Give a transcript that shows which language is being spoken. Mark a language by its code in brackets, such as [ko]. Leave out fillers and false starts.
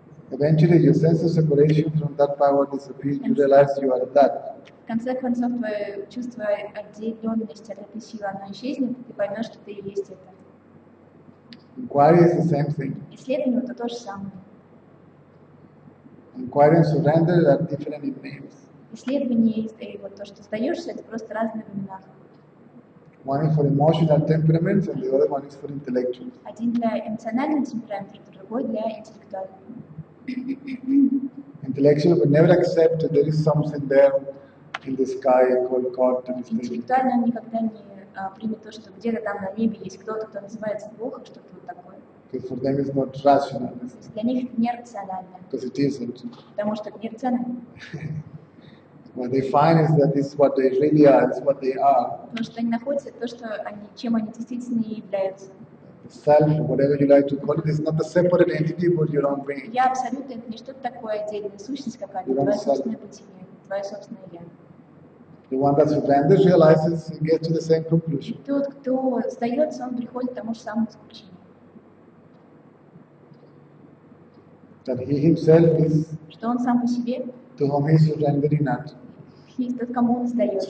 [en] Eventually your sense of separation from that power disappears. You realize you are that. [ru] В конце концов, твое чувство отделенности от этой силы, оно исчезнет, и ты поймешь, что ты и есть это. [en] Inquiry is the same thing. [ru] Исследование – это то же самое. [en] Inquiry and surrender are different in names. [ru] Исследование и вот то, что сдаешься, это просто разные имена. [en] One is for emotional temperaments and the other one is for intellectuals. [ru] Один для эмоциональных темпераментов, другой для интеллектуальных. [en] Intellectual would never accept that there is something there in the sky called God to mistake. [ru] Интеллектуально никогда не примет то, что где-то там на небе есть кто-то, кто называется Бог, что-то вот такое. [en] Because for them it's not rational. [ru] Для них это нерационально. [en] Because it isn't. [ru] Потому что это нерационально. [en] What they find is that it's what they really are, it's what they are. [ru] Потому что они находят то, что они, чем они действительно являются. [en] Self, whatever you like to call it, is not a separate entity, but your own being. [ru] Я абсолютно это не что-то такое отдельное, сущность какая-то, твое собственное бытие, твое собственное я. [en] The one that surrenders realizes he gets to the same conclusion. [ru] Тот, кто сдается, он приходит к тому же самому заключению. [en] That he himself is. [ru] Что он сам по себе? [en] To whom he is surrendering at. He is [ru] тот, кому он сдается.